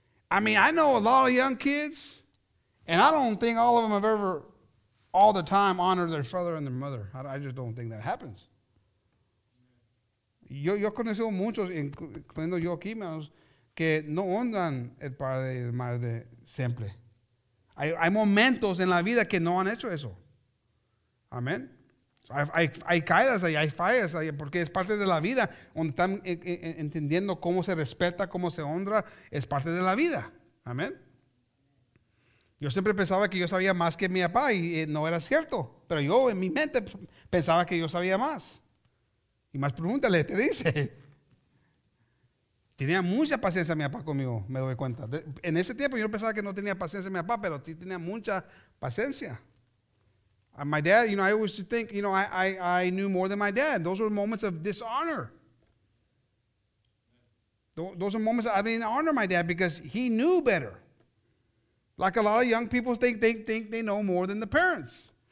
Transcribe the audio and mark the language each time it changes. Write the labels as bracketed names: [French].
[English] I mean, I know a lot of young kids, and I don't think all of them have ever, all the time, honored their father and their mother. I just don't think that happens. [Spanish] Yo he conocido muchos, incluyendo yo aquí, hermanos, que no honran el padre y la madre siempre. Hay momentos en la vida que no han hecho eso. Amén. So hay caídas ahí, hay fallas ahí, porque es parte de la vida. Donde están entendiendo cómo se respeta, cómo se honra, es parte de la vida. Amén. Yo siempre pensaba que yo sabía más que mi papá y no era cierto. Pero yo en mi mente pensaba que yo sabía más. Y más pregúntale, te dice. Tenía mucha paciencia mi papá conmigo, me doy cuenta. En ese tiempo yo pensaba que no tenía paciencia mi papá, pero sí tenía mucha paciencia. [English] And my dad, you know, I always think, you know, I knew more than my dad. Those were moments of dishonor. Those are moments I didn't honor my dad because he knew better. Like a lot of young people think they know more than the parents.